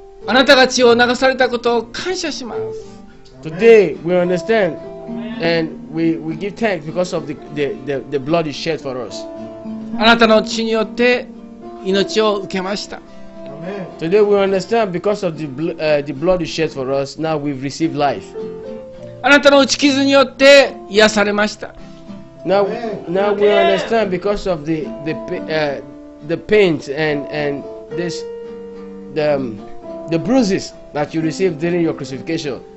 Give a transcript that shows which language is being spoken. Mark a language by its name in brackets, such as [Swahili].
[Japanese] あなたが血を流されたことを感謝します。 [English] Today we understand and we give thanks because of the blood is shed for us. [Japanese] あなたの血によって命を受けました。 [English] Today we understand because of the blood you shed for us, now we've received life. [Japanese] あなたの打ち傷によって癒されました。 [English] Now we understand because of the pains and this the bruises that you received during your crucifixion.